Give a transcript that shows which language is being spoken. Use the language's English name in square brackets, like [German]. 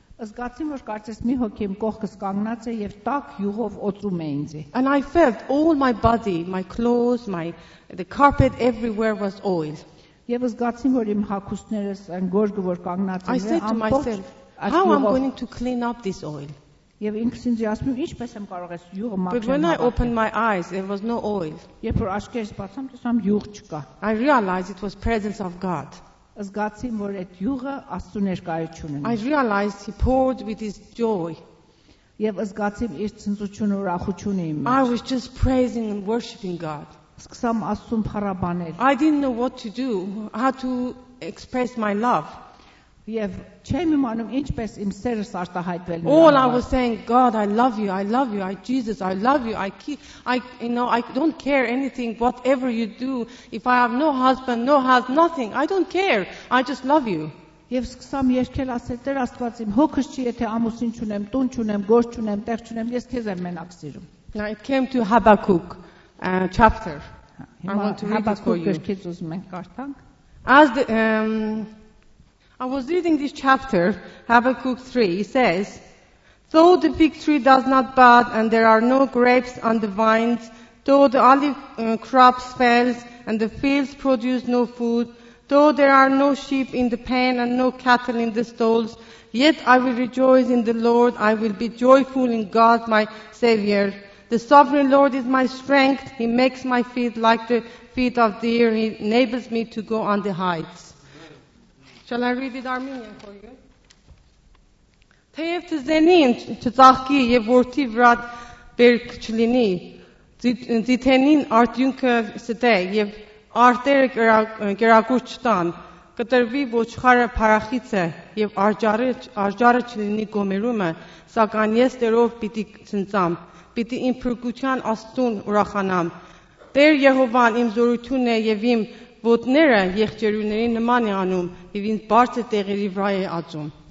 [Armenian] Զգացիմ, որ կարծես մի հոգի իմ կողքս կանգնած է եւ տաք յուղով օծում է ինձ։ [English] And I felt all my body, my clothes, the carpet everywhere was oil. [Armenian] Եվ զգացիմ, որ իմ հագուստներս այն գորգը որ կանգնած էին, ամբողջ [English] How am I going to clean up this oil? [Armenian] Եվ ինքս ինձ ասում, ինչպես եմ կարող ես յուղը մաքրել։ [English] But when I opened my eyes, there was no oil. [Armenian] Երբ որ աչքերս բացամ, տեսամ յուղ չկա։ [English] I realized it was presence of God. [Armenian] Զգացի, որ այդ յուղը Աստծո ներկայությունն է։ [English] I realized he poured with his joy. [Armenian] Եվ զգացի իր ցնծությունը ուրախությունը իմ մեջ։ [English] I was just praising and worshiping God. [Armenian] Սկսամ Աստծուն փառաբանել։ [English] I didn't know what to do, how to express my love. [Armenian] Եվ չեմ իմանում ինչպես իմ սերս արտահայտվել։ [English] All I was saying, God, I love you, I love you, I Jesus, I love you, I keep, I you know, I don't care anything whatever you do. If I have no husband, no house, nothing, I don't care. I just love you. [Armenian] Եվ սկսամ երկել ասել, Տեր Աստված, իմ հոգս չի, եթե ամուսին չունեմ, տուն չունեմ, գործ չունեմ, տեղ չունեմ, ես քեզ եմ մենակ սիրում։ [English] Now it came to Habakkuk chapter. I want to read it for you. [Armenian] Habakkuk գրքից ուզում ենք կարդանք։ [English] I was reading this chapter, Habakkuk 3. It says, though the fig tree does not bud and there are no grapes on the vines, though the olive crops fails and the fields produce no food, though there are no sheep in the pen and no cattle in the stalls, yet I will rejoice in the Lord. I will be joyful in God, my Savior. The sovereign Lord is my strength. He makes my feet like the feet of deer. He enables me to go on the heights. Shall I read it Armenian for you? [Armenian] Թեև ծզենին ծաղկի եւ որդի վրա բերք չլինի, ծիթենին արդյունքը ստե եւ արտերը կերակուր չտան, կտրվի ոչխարը փարախիցը եւ արջարը չլինի գոմերումը, սակայն ես Տերով պիտի ծնծամ, պիտի իմ փրկության Աստուն ուրախանամ։ Տեր Եհովան իմ զորությունն է եւ իմ Ոտները եղջերուների նման է անում եւ ինձ բարձր տեղերի վրա է աճում։